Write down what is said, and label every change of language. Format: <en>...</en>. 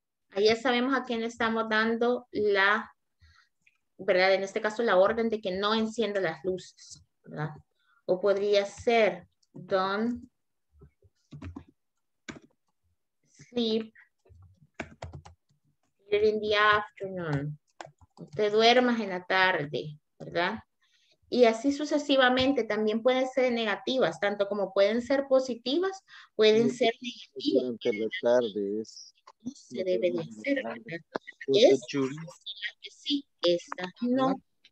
<es>Ahí ya sabemos a quién estamos dando la, ¿verdad? En este caso, la orden de que no encienda las luces, ¿verdad? O podría ser,</es> <en>don't sleep during the afternoon.</en> <es>No te duermas en la tarde, ¿verdad? Y así sucesivamente, también pueden ser negativas, tanto como pueden ser positivas, pueden ser negativas. Durante la tarde es... No se debe de hacer, ¿verdad? Es, sí, esta no.</es>